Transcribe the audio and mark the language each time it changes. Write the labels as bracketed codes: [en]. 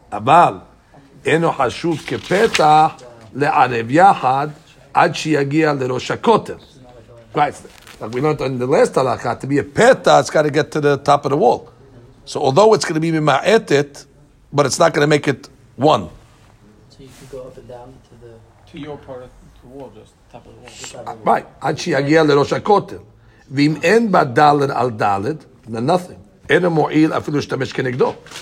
[he] אבל אינו חשוב כפתח לערב יחד עד שיגיע לראש הכותל. [en] Right, like we learned in the last halakha, to be a peta, it's got to get to the top of the wall. So although it's going to be mima'etet, but it's not going to make it one. So you can go up and down to the... To your part of the wall, just the top of the wall. [he] Right, עד שיגיע לראש הכותל. ואם אין בה דלת על דלת, [en] then nothing. [he] אינו מועיל אפילו להשתמש כנגדו.